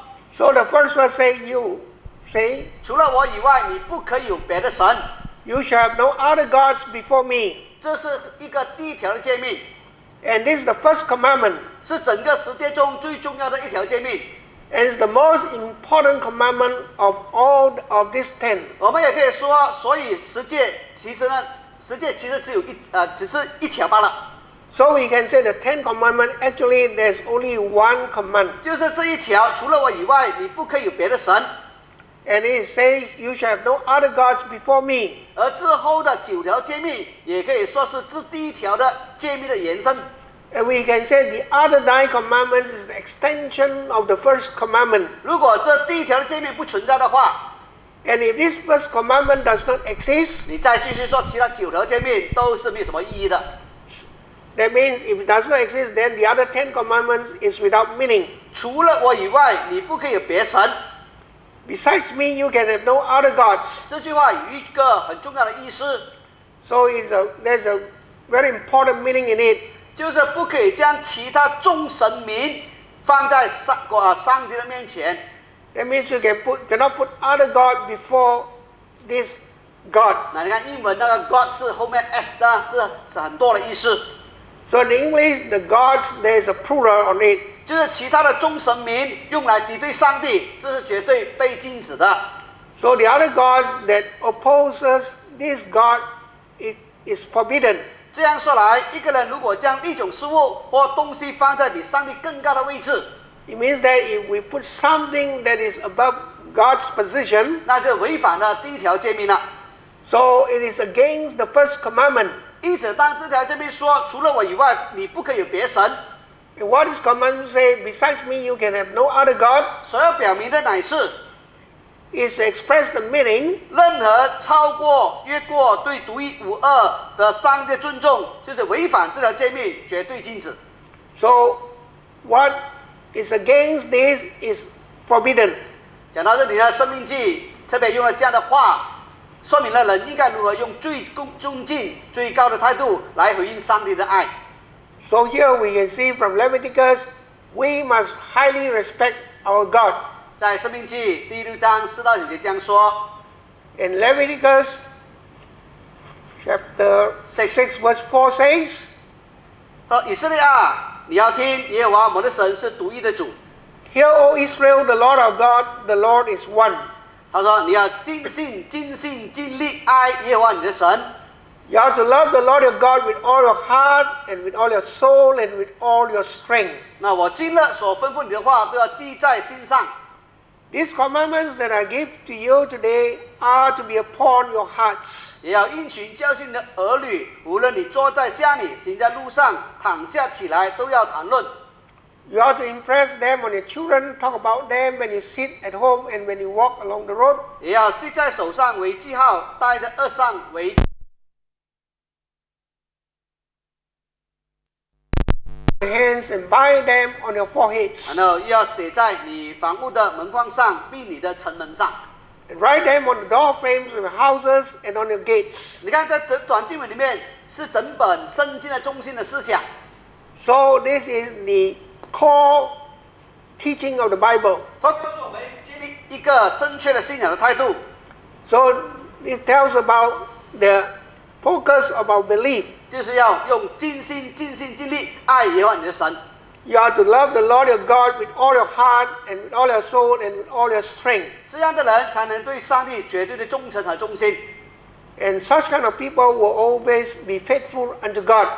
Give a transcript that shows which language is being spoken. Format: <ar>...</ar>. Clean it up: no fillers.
<en>So the first one say you say。</en> <zh>除了我以外，你不可以有别的神。</zh> <en>You shall have no other gods before me。</en> <zh>这是一个第一条的诫命。</zh> <en>And this is the first commandment。</en> <zh>是整个十诫中最重要的一条诫命。</zh> <en>And it's the most important commandment of all of these ten。</en> <zh>我们也可以说，所以十诫其实呢，十诫其实只有只是一条罢了。</zh> <en>So we can say the Ten Commandments, actually there's only one command.</en> <zh>就是这一条，除了我以外，你不可以有别的神。</zh> <en>And it says, you shall have no other gods before me.</en> <zh>而之后的九条诫命，也可以说是这第一条的诫命的延伸。</zh> <en>And we can say the other nine commandments is the extension of the first commandment.</en> <zh>如果这第一条的诫命不存在的话，</zh> <en>And if this first commandment does not exist,</en> <zh>你再继续说其他九条诫命都是没有什么意义的。</zh> <en>That means if it does not exist, then the other ten commandments is without meaning.</en> <zh>除了我以外，你不可以有别神。</zh> <en>Besides me, you can have no other gods.</en> <zh>这句话有一个很重要的意思。</zh> <en>So there's a very important meaning in it.</en> <zh>就是不可以将其他众神明放在上啊上帝的面前。</zh> <en>That means you can put, cannot put other God before this God.</en> <zh>那你看英文那个 God 是后面 S 的，是很多的意思。</zh> <en>So in English, the gods, there's a plural on it.</en> <zh>就是其他的众神明用来敌对上帝，这是绝对被禁止的。</zh> <en>So the other gods that opposes this God, it is forbidden.</en> <zh>这样说来，一个人如果将一种事物或东西放在比上帝更高的位置，</zh> <en>it means that if we put something that is above God's position,</en> <zh>那就违反了第一条诫命了。</zh> <en>So it is against the first commandment.</en> <zh>因此，当这条诫命说除了我以外，你不可以有别神。</zh> <en>What is command say? Besides me, you can have no other god.</en> <zh>所要表明的乃是</zh> <en>，is express the meaning.</en> <zh>任何超过、越过对独一无二的上帝尊重，就是违反这条诫命，绝对禁止。</zh> <en>So, what is against this is forbidden.</en> <zh>讲到这里呢，《生命记》特别用了这样的话。说明了人应该如何用最恭敬、最高的态度来回应上帝的爱。</zh> <en>So here we can see from Leviticus, we must highly respect our God.</en> <zh>在生命记第六章四到九节这样说。</zh> <en>In Leviticus chapter 6 verse 4 says,</en> <zh>说以色列啊，你要听耶和华我们的神是独一的主。</zh> <en>Hear, O Israel, the Lord our God, the Lord is one.</en> <zh>他说：“你要尽心、尽心、尽力爱耶和华你的神。</zh> <en>You have to love the Lord your God with all your heart and with all your soul and with all your strength。</en> <zh>那我尽了所吩咐你的话，都要记在心上。</zh> <en>These commandments that I give to you today are to be upon your hearts。</en> <zh>也要应许教训你的儿女，无论你坐在家里、行在路上、躺下起来，都要谈论。”</zh> <en>You have to impress them on your children, talk about them when you sit at home and when you walk along the road.</en> <zh>也要系在手上为记号，戴在额上为。</zh> <en>Hands and bind them on your foreheads.</en> <zh>然后又要写在你房屋的门框上，并你的城门上。</zh> <en>And write them on the door frames of your houses and on your gates.</en> <zh>你看这短经文里面是整本圣经的中心的思想。</zh> <en>So this is the core teaching of the Bible.</en> <zh>它告诉我们建立一个正确的信仰的态度。</zh> <en>So it tells about the focus of our belief.</en> <zh>就是要用尽心、尽心、尽力爱耶和华你的神。</zh> <en>You are to love the Lord your God with all your heart and with all your soul and with all your strength.</en> <zh>这样的人才能对上帝绝对的忠诚和忠心。</zh> <en>And such kind of people will always be faithful unto God.</en>